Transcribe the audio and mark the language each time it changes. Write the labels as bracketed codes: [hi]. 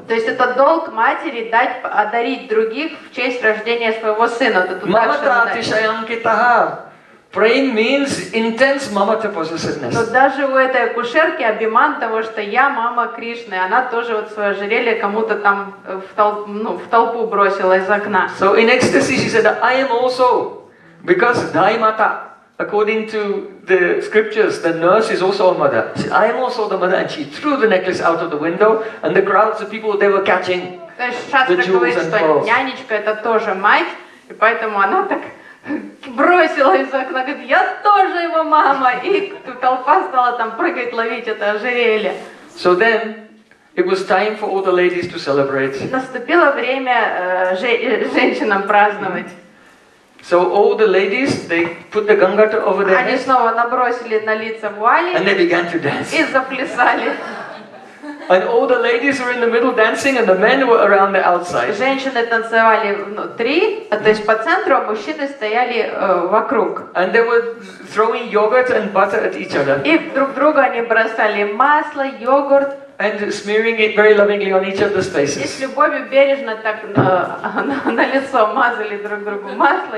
[ru] То есть это долг матери дать, одарить других в честь рождения своего сына. [sa] Мамата атишаянкитаха. [en] Prema means intense mamata possessiveness. [ru] Но даже у этой акушерки абиман того, что я мама Кришны, она тоже вот свое ожерелье кому-то там в толпу бросила из окна. [en] So in ecstasy she said, I am also, because Dai Mata, according to the scriptures, the nurse is also a mother. She said, I am also the mother, and she threw the necklace out of the window, and the crowds of people they were catching. [ru] То есть шастра говорит, что нянечка это тоже мать, и поэтому она так бросила из окна, говорит, я тоже его мама, и толпа стала там прыгать, ловить это ожерелье. [en] So then, it was time for all the ladies to celebrate. [ru] Наступило время женщинам праздновать. [en] So all the ladies, they put the gangata over their heads. [ru] Они снова набросили на лица вуали. [en] And they began to dance. [ru] И заплясали. [en] And all the ladies were in the middle dancing, and the men were around the outside. [ru] Женщины танцевали внутри, то есть по центру, а мужчины стояли вокруг. [en] And they were throwing yogurt and butter at each other. [ru] И друг другу они бросали масло, йогурт. [en] And smearing it very lovingly on each other's faces. [ru] И с любовью бережно так на лицо мазали друг другу масло,